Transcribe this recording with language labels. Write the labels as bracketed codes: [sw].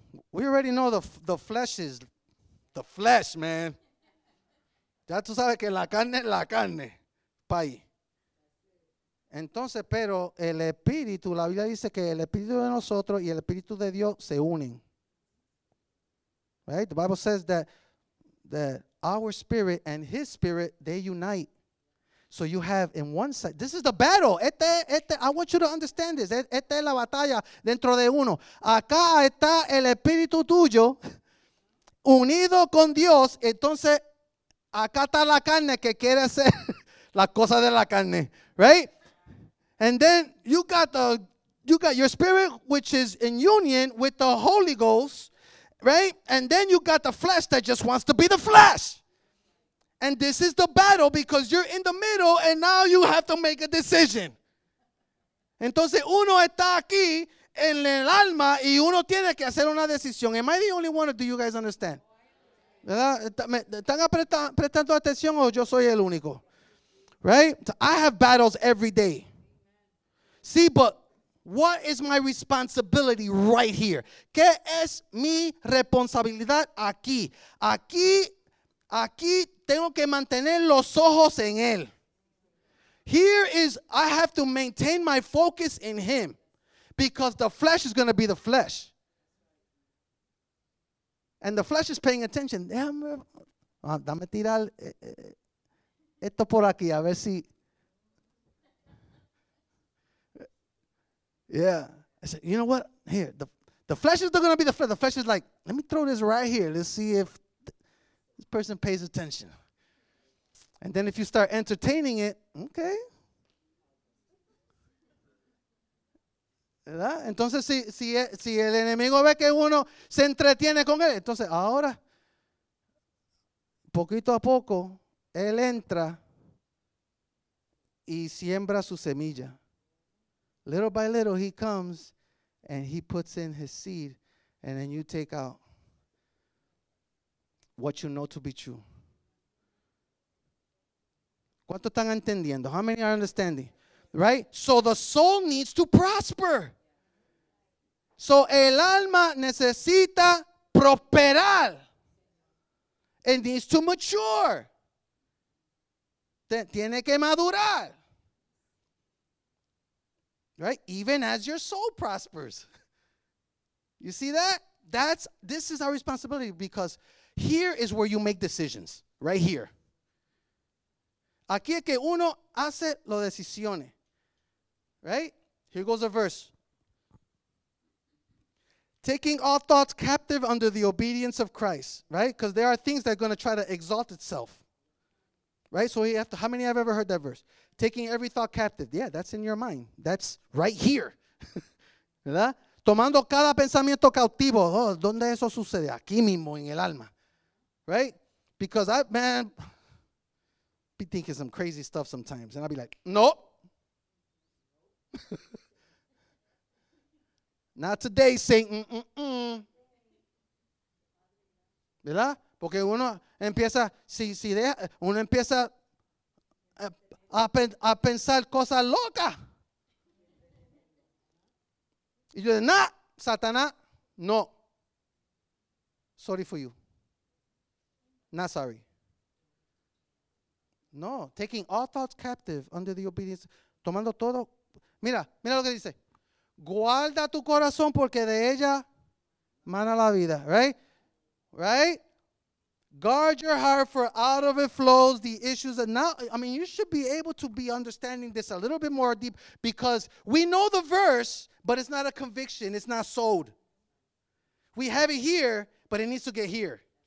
[en] We already know the flesh is the flesh, man. [es] Ya tú sabes que la carne, pay. Entonces, pero el Espíritu, la Biblia dice que el Espíritu de nosotros y el Espíritu de Dios se unen. [en] Right? The Bible says that our spirit and his spirit, they unite. So you have in one side, this is the battle. I want you to understand this. [es] Esta es la batalla dentro de uno. Acá está el Espíritu tuyo unido con Dios. Entonces, acá está la carne que quiere hacer las cosas de la carne. [en] Right? And then you got your spirit, which is in union with the Holy Ghost, right? And then you got the flesh that just wants to be the flesh. And this is the battle because you're in the middle and now you have to make a decision. [es] Entonces uno está aquí en el alma y uno tiene que hacer una decisión. [en] Am I the only one, or do you guys understand? [es] ¿Están prestando atención o yo soy el único? [en] Right? So I have battles every day. See, but what is my responsibility right here? [es] ¿Qué es mi responsabilidad aquí? Aquí tengo que mantener los ojos en él. [en] Here is, I have to maintain my focus in him because the flesh is going to be the flesh. And the flesh is paying attention. [es] Dame tirar esto por aquí, a ver si... [en] Yeah, I said, you know what? Here, the flesh is going to be the flesh. The flesh is like, let me throw this right here. Let's see if this person pays attention. And then if you start entertaining it, okay. [es] ¿Verdad? Entonces, si el enemigo ve que uno se entretiene con él, entonces ahora, poquito a poco, él entra y siembra su semilla. [en] Little by little, he comes and he puts in his seed, and then you take out what you know to be true. [es] ¿Cuánto están entendiendo? [en] How many are understanding? Right? So the soul needs to prosper. [es] So el alma necesita prosperar. [en] It needs to mature. [es] Tiene que madurar. [en] Right? Even as your soul prospers. You see that? This is our responsibility, because here is where you make decisions. Right here. Aquí es que uno hace las decisiones. Right? Here goes a verse. Taking all thoughts captive under the obedience of Christ. Right? Because there are things that are going to try to exalt itself. Right? So how many have ever heard that verse? Taking every thought captive. Yeah, that's in your mind. That's right here. [es] ¿Verdad? Tomando cada pensamiento cautivo. Oh, ¿dónde eso sucede? Aquí mismo, en el alma. [en] Right? Because be thinking some crazy stuff sometimes. And I'll be like, no. Not today, Satan. Mm-mm. [es] ¿Verdad? Porque uno empieza, uno empieza a pensar cosas locas. Y yo digo, nah, Satanás, no. [en] Sorry for you. Not sorry. No, taking all thoughts captive under the obedience. [es] Tomando todo. Mira lo que dice. Guarda tu corazón porque de ella mana la vida. [en] Right? Right? Guard your heart, for out of it flows the issues. And now, I mean, you should be able to be understanding this a little bit more deep, because we know the verse, but it's not a conviction. It's not sold. We have it here, but it needs to get here.